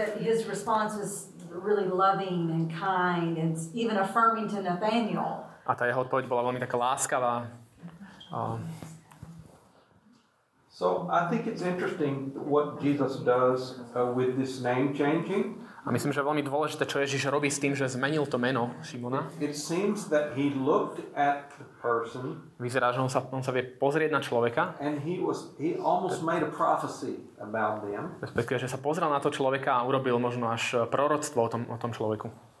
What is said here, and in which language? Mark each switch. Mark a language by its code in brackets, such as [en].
[en] His response was really loving and kind and even affirming to Nathaniel. [sk] A tá jeho odpoveď bola veľmi taká láskavá. [en] So I think it's interesting what Jesus does with this name changing. [sk] A myslím, že je veľmi dôležité, čo Ježiš robí s tým, že zmenil to meno Šimona. [en] It seems that he looked at the person. [sk] Vyzerá, že on sa vie pozrieť na človeka. [en] And he almost made a prophecy about them. [sk] Respektíve, že sa pozrel na to človeka a urobil možno až proroctvo o tom človeku.